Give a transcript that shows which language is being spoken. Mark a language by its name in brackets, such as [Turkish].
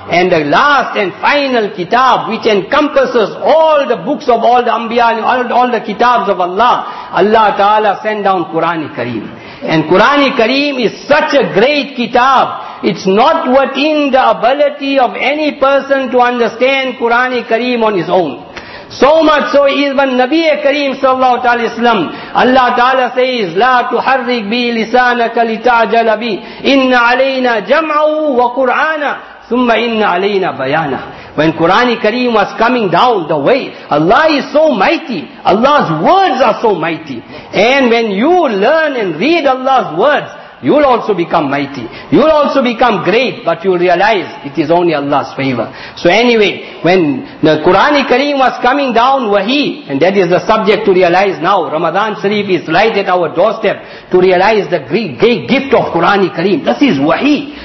[English] And the last and final kitab, which encompasses all the books of all the Anbiya, all the kitabs of Allah. Allah Ta'ala sent down Qur'an Kareem. And Qur'an Kareem is such a great kitab. It's not within the ability of any person to understand Qur'an Kareem on his own. So much so, even Nabiya Kareem sallallahu alaihi wasallam, Allah Ta'ala says, [Arabic] لا تحرك بي لسانك لتعجل بي إن علينا جمعه وقرآنا ثم إن علينا بيانا. [English] When Qur'an Kareem was coming down the way, Allah is so mighty, Allah's words are so mighty. And when you learn and read Allah's words, you'll also become mighty. You'll also become great, but you'll realize it is only Allah's favor. So anyway, when the Qur'an Kareem was coming down, wahi, and that is the subject to realize now, Ramadan Sharif is right at our doorstep, to realize the great gift of Qur'an Kareem. This is wahi.